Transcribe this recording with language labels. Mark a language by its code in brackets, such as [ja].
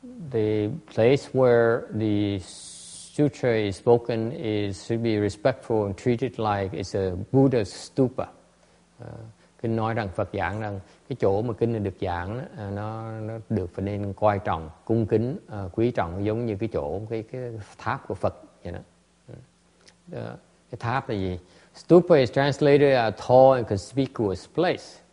[en] The place where the sutra is spoken is should be respectful and treated like it's a Buddha's stupa. [vi] Kinh nói rằng Phật giảng rằng cái chỗ mà kinh được giảng nó được phải nên coi trọng, cung kính, quý trọng giống như cái chỗ cái tháp của Phật vậy đó. Cái tháp là gì? [en] Stupa is translated a tall and conspicuous place.